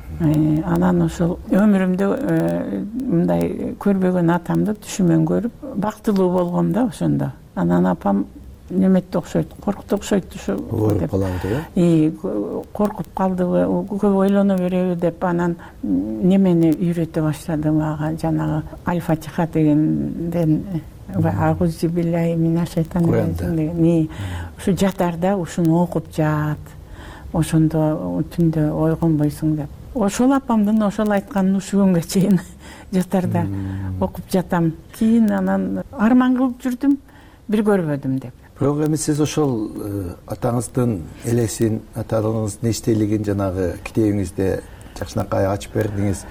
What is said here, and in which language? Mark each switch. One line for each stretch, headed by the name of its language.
Kyrgyz: Анан ушул өмүрүмдө мындай көрбөгөн атамды түшүмөн көрүп бактылуу болгом да ошондо. Анан апам неметти окшойт, коркутту окшойт ушу деп. Коркуп калдыбы, көп ойлоно береби деп, анан немени үйрөтө баштады мага, жанагы Аль-Фатиха дегенден.
Arabic: Аузу биллахи минаш шайтанир ражим
Kyrgyz: деген. Ушу жатарда ушуну окуп жат, ошондо түндө ойгонбойсуң деп. Ошол апамдын ошол айтканын ушул күнгө чейин жатарда окуп жатам. Кийин анан арман кылып жүрдүм, бир көрбөдүм деп. Бирок эми сиз ошол атаңыздын элесин, аталыгыңыздын эчтелигин жанагы китебиңизде жакшынакай ачып бердиңиз.